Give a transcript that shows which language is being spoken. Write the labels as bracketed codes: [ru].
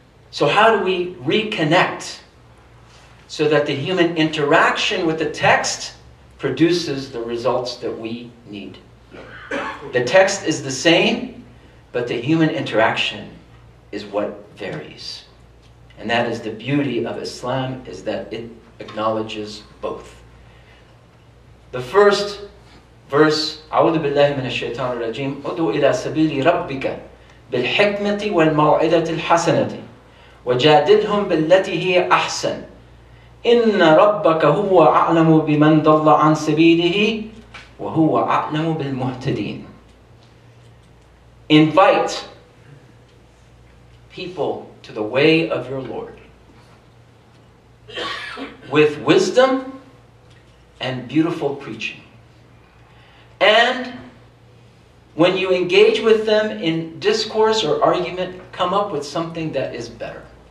[en] So how do we reconnect so that the human interaction with the text produces the results that we need? The text is the same, but the human interaction is what varies. And that is the beauty of Islam, is that it acknowledges both. The first verse, [ar] أعوذ بالله من الشيطان الرجيم أدعو إلى سبيل ربك بالحكمة والموعدة الحسنة وجادلهم بالتي هي أحسن إِنَّ رَبَّكَ هُوَ أَعْلَمُ بِمَنْ ضَلَّ عَنْ سَبِيلِهِ وَهُوَ أَعْلَمُ بِالْمُهْتَدِينَ. [en] Invite people to the way of your Lord with wisdom and beautiful preaching. And when you engage with them in discourse or argument, come up with something that is better.